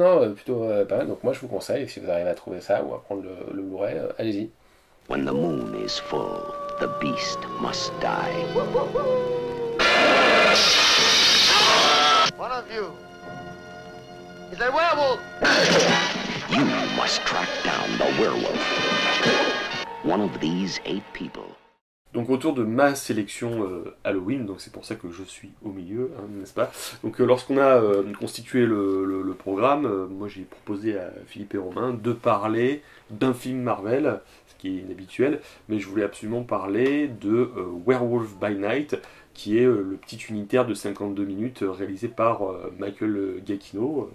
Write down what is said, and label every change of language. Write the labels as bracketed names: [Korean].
[French] Plutôt pas mal. Donc moi, je vous conseille, si vous arrivez à trouver ça ou à prendre le Blu-ray, allez-y. [English] When the moon is full, the beast must die. One of you is a werewolf. You must track down the werewolf. One of these eight people. [French] Donc autour de ma sélection Halloween, donc c'est pour ça que je suis au milieu, hein, n'est-ce pas? Donc lorsqu'on a constitué le programme, moi j'ai proposé à Philippe et Romain de parler d'un film Marvel, ce qui est inhabituel, mais je voulais absolument parler de Werewolf by Night, qui est le petit unitaire de 52 minutes réalisé par Michael Giacchino.